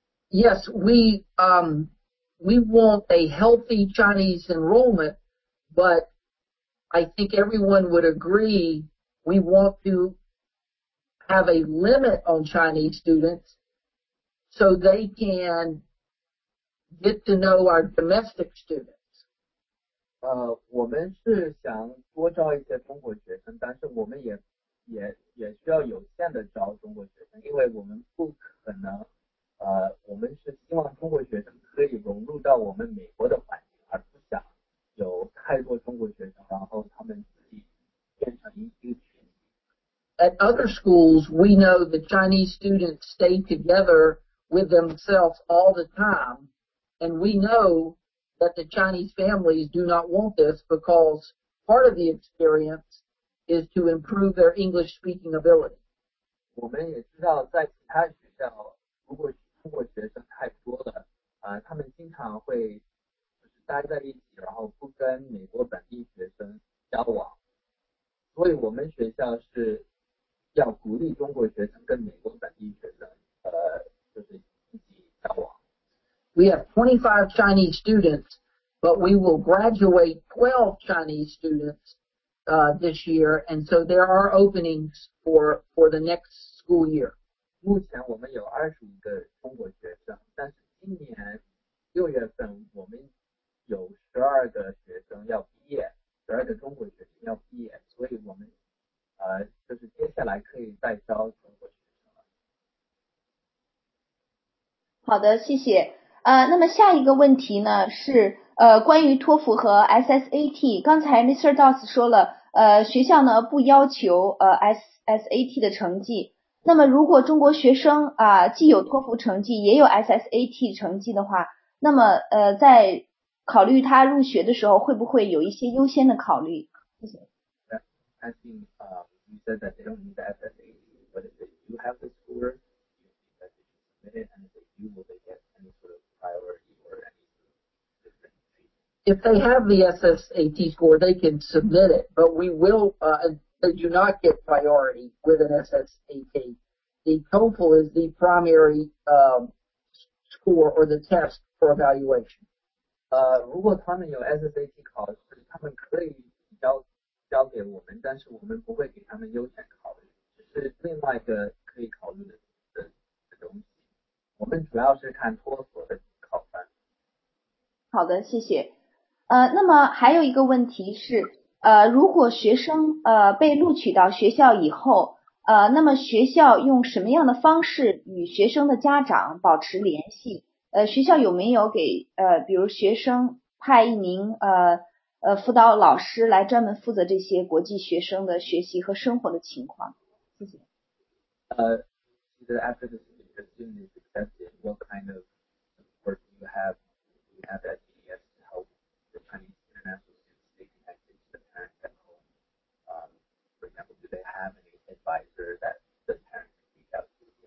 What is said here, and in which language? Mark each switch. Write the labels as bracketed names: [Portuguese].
[English] Yes, we want a healthy Chinese enrollment, but I think everyone would agree we want to have a limit on Chinese students so they can get to know our domestic students. [Chinese] 我们是想多招一些中国学生，但是我们也需要有限的招中国学生，因为我们不可能，我们是希望中国学生可以融入到我们美国的环境，而不想有太多中国学生，然后他们自己变成一个群体。 [English] At other schools, we know the Chinese students stay together with themselves all the time, and we know. That the Chinese families do not want this because part of the experience is to improve their English speaking ability. [Chinese] 我们也知道在其他学校如果中国学生太多了，他们经常会就是待在一起，然后不跟美国本地学生交往。所以我们学校是要鼓励中国学生跟美国本地学生，就是一起交往。 [English] We have 25 Chinese students, but we will graduate 12 Chinese students, this year, and so there are openings for the next school year. [Chinese] 目前我们有25个中国学生，但是今年6月份我们有12个学生要毕业，12个中国学生要毕业，所以我们，就是接下来可以再招中国学生了。好的，谢谢。那么下一个问题呢是关于托福和 SSAT， 刚才 Mr. Doss 说了学校呢不要求SSAT 的成绩，那么如果中国学生既有托福成绩也有 SSAT 成绩的话，那么在考虑他入学的时候会不会有一些优先的考虑？谢谢。 [English] I think you said that they don't need the SSAT, but if they do have the score, you need that they submitted and if they do, will they get any sort of priority or any difference? If they have the SSAT score, they can submit it, but we will, they do not get priority with an SSAT. The TOEFL is the primary score or the test for evaluation. [Chinese] 如果他们有 SSAT 考试，他们可以交给我们，但是我们不会给他们优先考虑，就是另外一个可以考虑的东西。我们主要是看托福的考分。好的，谢谢。那么还有一个问题是，如果学生被录取到学校以后，那么学校用什么样的方式与学生的家长保持联系？学校有没有给比如学生派一名辅导老师来专门负责这些国际学生的学习和生活的情况？谢谢。 [English] After the student is accepted, what kind of support do you have? Do you have at GDS to help the Chinese international students stay connected to the parents at home? For example, do they have any advisor that the parents can reach out to?